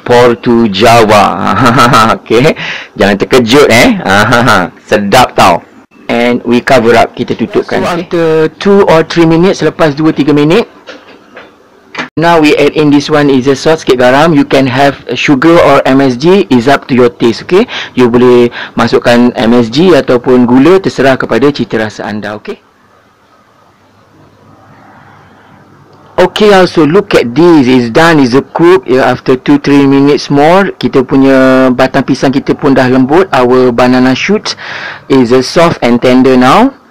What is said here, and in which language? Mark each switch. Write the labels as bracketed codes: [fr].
[ms] Porto Java. Okay. Jangan terkejut eh. Sedap tau. [en] And we cover up. [ms] Kita tutupkan. [en] So after 2 or 3 minutes. [ms] Selepas 2-3 minit. [en] Now we add in, this one is a sauce, [ms] sikit garam. [en] You can have sugar or MSG, is up to your taste, okay? [ms] You boleh masukkan MSG ataupun gula, terserah kepada cita rasa anda, okay? [en] Okay, also look at this, it's done, it's a cook. After 2-3 minutes more, [ms] kita punya batang pisang kita pun dah lembut. [en] Our banana shoot is a soft and tender now.